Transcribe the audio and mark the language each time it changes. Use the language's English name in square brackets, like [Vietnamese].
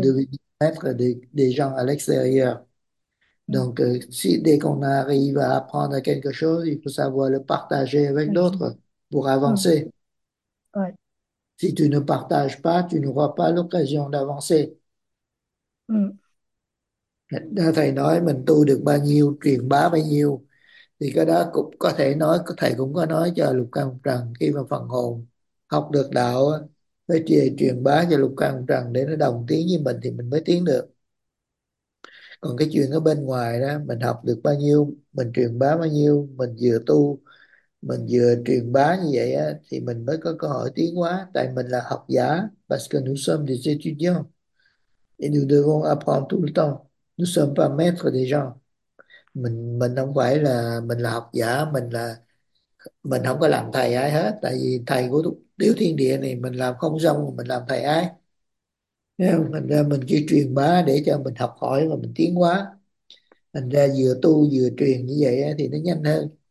[French] devenir maître des gens à l'extérieur? Donc, si dès qu'on arrive à apprendre quelque chose, il faut savoir le partager avec d'autres pour avancer. Si tu ne partages pas, tu n'auras pas l'occasion d'avancer. [Vietnamese] Nên thầy nói mình tu được bao nhiêu, truyền bá bao nhiêu. Thì cái đó cũng có thể nói, thầy cũng có nói cho Lục Căn Một Trần khi mà phần hồn học được đạo phải truyền bá cho Lục Căn Một Trần để nó đồng tiếng với mình thì mình mới tiến được. Còn cái chuyện ở bên ngoài đó, mình học được bao nhiêu, mình truyền bá bao nhiêu, mình vừa tu, mình vừa truyền bá như vậy á, thì mình mới có cơ hội tiến hóa. Tại mình là học giả, [French] parce que nous sommes des étudiants. Et nous devons apprendre tout le temps. Nous sommes pas maîtres des gens. [Vietnamese] Mình không phải là mình là học giả, mình không có làm thầy ai hết, tại vì thầy của Tiểu Thiên Địa này mình làm không xong mình làm thầy ai. Nên mình chỉ truyền bá để cho mình học hỏi và mình tiến hóa. Thành ra vừa tu vừa truyền như vậy thì nó nhanh hơn.